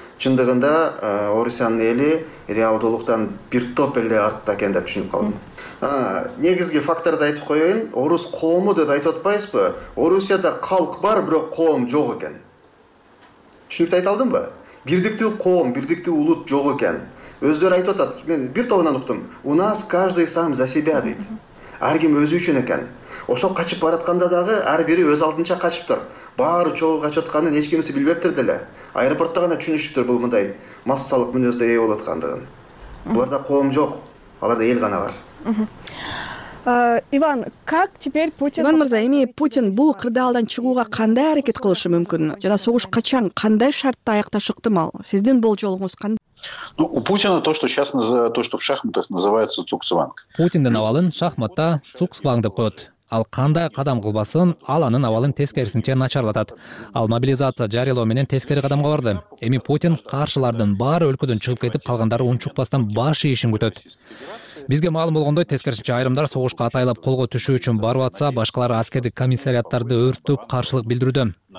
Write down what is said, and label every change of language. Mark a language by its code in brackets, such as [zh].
[ky] Чындыгында Орусиянын эли реалдуулуктан бир топ эле артта экен деп түшүнүп калдым. Негизги факторду айтып коеюн, орус коому деп айтып атпайсызбы? Орусияда калк бар, бирок коом жок экен. Түшүнүктү айта алдымбы? Бирдиктүү коом, бирдиктүү улут жок экен. Өздөрү айтып атат, мен бир тобунан уктум. [ru] У нас каждый сам за себя [ky] дейт. Ар ким өзү үчүн экен. Ошол качып баратканда дагы ар бири өз алдынча качыптыр. Баары чогуу качып атканын эч кимиси билбептир деле. Аэропортто гана түшүнүштүр бул мындай массалык мүнөздө ээ болуп аткандыгын. Буларда коом жок, аларда эл гана бар. [ru] Иван, как теперь Путин... [ky] Иван мырза, эми Путин бул кырдаалдан чыгууга кандай аракет кылышы мүмкүн? Жана согуш качан, кандай шартта аякташы ыктымал? Сиздин болжолуңуз кандай? [ru] Ну, у Путина то, что сейчас то, что в шахматах называется цугцванг. [ky] Путиндин абалын шахматта цугцванг деп коет. Ал кандай кадам кылбасын, ал анын абалын тескерисинче начарлатат. Ал мобилизация жарыялоо менен тескери кадамга барды. Эми Путин каршылардын баары өлкөдөн чыгып кетип, калгандары унчукпастан баш ийишин күтөт. Бизге маалым болгондой, тескерисинче айрымдар согушка атайлап колго түшүү үчүн барып атса, башкалары аскердик комиссариаттарды өрттүп каршылык билдирүүдө.